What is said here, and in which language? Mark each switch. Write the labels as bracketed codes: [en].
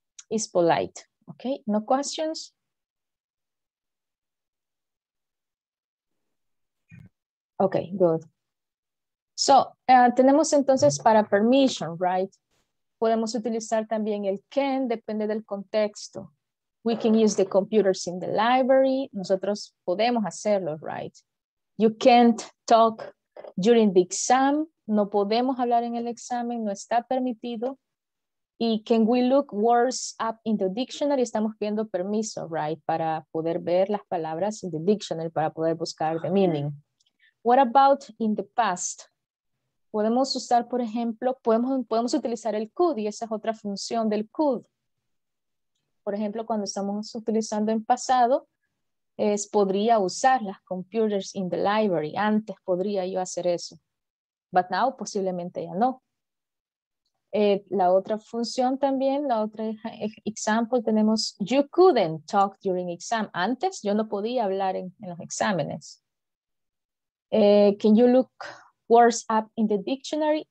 [en] It's polite. Okay, no questions? Okay, good. So, [es] tenemos entonces para [en] permission, right? [es] Podemos utilizar también el can, depende del contexto. [en] We can use the computers in the library. [es] Nosotros podemos hacerlo, [en] right? You can't talk during the exam. [es] No podemos hablar en el examen, no está permitido. [en] Y can we look words up in the dictionary? [es] Estamos pidiendo permiso, right? Para poder ver las palabras [en] in the dictionary, [es] para poder buscar [en] the meaning. What about in the past? [es] Podemos usar, por ejemplo, podemos utilizar el could y esa es otra función del could. Por ejemplo, cuando estamos utilizando en pasado, podría usar las [en] computers in the library. [es] Antes podría yo hacer eso. [en] But now [es] posiblemente ya no. La otra función también, la otra example tenemos, [en] you couldn't talk during exam. [es] Antes yo no podía hablar en los exámenes. [en] Can you look words up in the dictionary?